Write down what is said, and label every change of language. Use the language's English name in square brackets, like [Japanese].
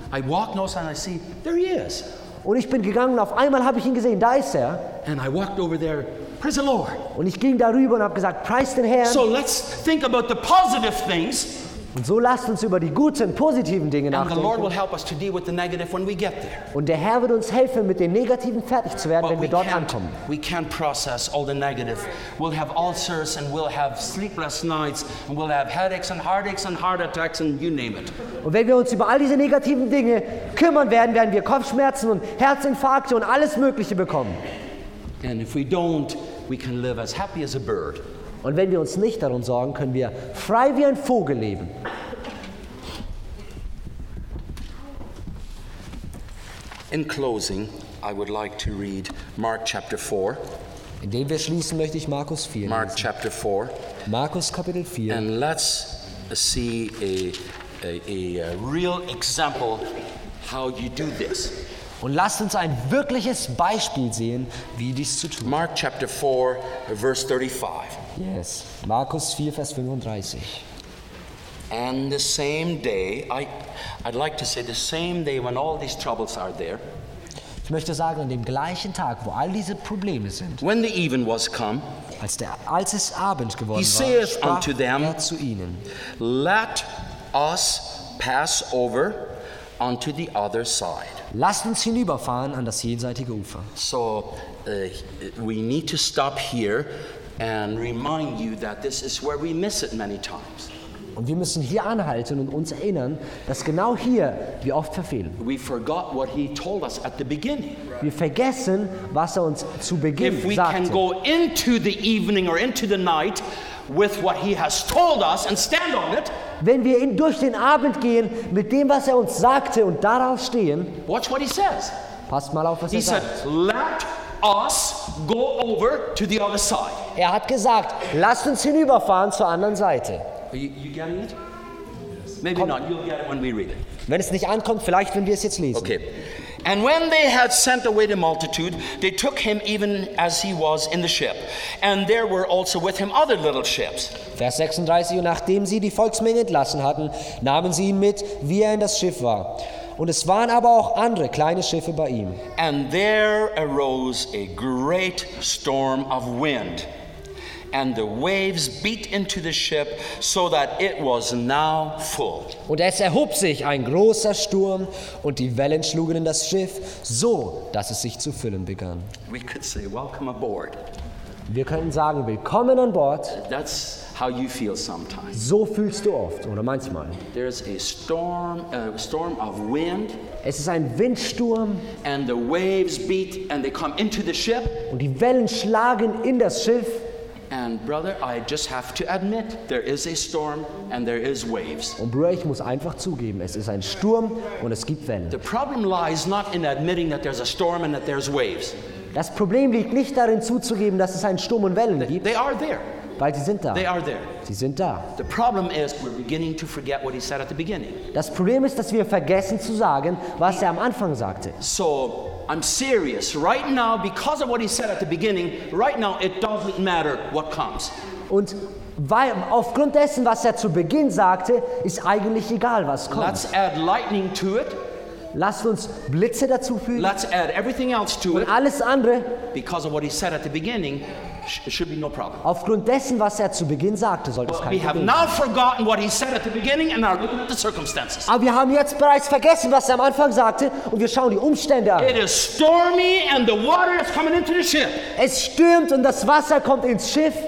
[English] I walked north and I see, there he is. [German] Und ich bin gegangen und auf einmal habe ich ihn gesehen, da ist er. [English] And I walked over there. Praise the Lord. [German] Und ich ging darüber und habe gesagt, preist den Herrn. [English] So let's think about the positive things. [German] Und so lasst uns über die guten, positiven Dinge nachdenken. Und der Herr wird uns helfen, mit den Negativen fertig zu werden, [English] but [German] wenn wir dort ankommen. [English] We can't process all the negative. We'll have ulcers and we'll have sleepless nights and we'll have headaches and heartaches and heart attacks and you name it. [German] Und wenn wir uns über all diese negativen Dinge kümmern werden, werden wir Kopfschmerzen und Herzinfarkte und alles Mögliche bekommen. [English] And if we don't, we can live as happy as a bird. [German] Und wenn wir uns nicht darum sorgen, können wir frei wie ein Vogel leben. [English] In closing, I would like to read Mark chapter 4. [German] Indem wir schließen, möchte ich Markus 4 lesen. [English] Mark chapter 4. [German] Markus Kapitel 4. [English] And let's see a real example how you do this. [German] Und lasst uns ein wirkliches Beispiel sehen, wie dies zu tun. [English] Mark chapter 4, verse 35. Yes, [German] Markus 4, Vers 35. [English] And the same day, I'd like to say the same day when all these troubles are there. [German] Ich möchte sagen, an dem gleichen Tag, wo all diese Probleme sind. [English] When the even was come, [German] als es Abend geworden war, sprach [English] unto them, [German] er zu ihnen. [English] Let us pass over unto the other side. [German] Lasst uns hinüberfahren an das jenseitige Ufer. [English] So, we need to stop here and remind you that this is where we miss it many times. [German] Und wir müssen hier anhalten und uns erinnern, dass genau hier wir oft verfehlen. [English] We forgot what he told us at the beginning. [German] Wir vergessen, was er uns zu Beginn sagte. [English] If we can go into the evening or into the night with what he has told us and stand on it. [German] Wenn wir durch den Abend gehen mit dem, was er uns sagte und darauf stehen. [English] Watch what he says. [German] Passt mal auf, was er sagt. [English] He said, let us go over to the other side. [German] Er hat gesagt, lasst uns hinüberfahren zur anderen Seite. [English] You getting it? Maybe not. You'll get it when we read it. [German] Wenn es nicht ankommt, vielleicht wenn wir es jetzt lesen. [English] Okay. And when they had sent away the multitude, they took him even as he was in the ship. And there were also with him other little ships. [German] Vers 36. Und nachdem sie die Volksmenge entlassen hatten, nahmen sie ihn mit, wie er in das Schiff war. Und es waren aber auch andere kleine Schiffe bei ihm. [English] And there arose a great storm of wind. And the waves beat into the ship, so that it was now full. [German] Und es erhob sich ein großer Sturm, und die Wellen schlugen in das Schiff, so dass es sich zu füllen begann. [English] We could say, welcome aboard. [German] Wir könnten sagen, willkommen an Bord. [English] That's how you feel sometimes. [German] So fühlst du oft, oder manchmal. [English] There's a storm of wind. [German] Es ist ein Windsturm. [English] And the waves beat, and they come into the ship. [German] Und die Wellen schlagen in das Schiff. [English] And brother, I just have to admit, there is a storm and there is waves. [German] Und Bruder, ich muss einfach zugeben, es ist ein Sturm und es gibt Wellen. [English] The problem lies not in admitting that there's a storm and that there's waves. [German] Das Problem liegt nicht darin zuzugeben, dass es einen Sturm und Wellen gibt. [English] They are there. [German] Weil sie sind da. [English] They are there. [German] Sie sind da. [English] The problem is we're beginning to forget what he said at the beginning. [German] Das Problem ist, dass wir vergessen zu sagen, was er am Anfang sagte. [English] So I'm serious. Right now, because of what he said at the beginning, right now it doesn't matter what comes. [German] Und weil aufgrund dessen, was er zu Beginn sagte, ist eigentlich egal, was kommt. [English] Let's add lightning to it. [German] Lasst uns Blitze dazu fügen. [English] Let's add everything else to it. [German] Alles andere. [English] Because of what he said at the beginning, it should be no problem. [German] Aufgrund dessen, was er zu Beginn sagte, sollte es kein Problem sein. [English] We have now forgotten what he said at the beginning and are looking at the circumstances. [German] Aber wir haben jetzt bereits vergessen, was er am Anfang sagte, und wir schauen die Umstände an. [English] It is stormy and the water is coming into the ship. [German] Es stürmt und das Wasser kommt ins Schiff.